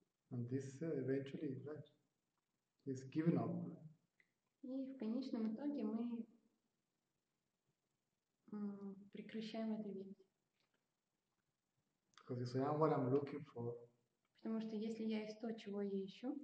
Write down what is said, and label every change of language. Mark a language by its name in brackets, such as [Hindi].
[English] And this eventually, right, is given up. [Russian] И в конечном итоге мы прекращаем это видеть. [English] Because you say, I'm what I'm looking for. [Russian] Потому что если я есть то, чего я ищу,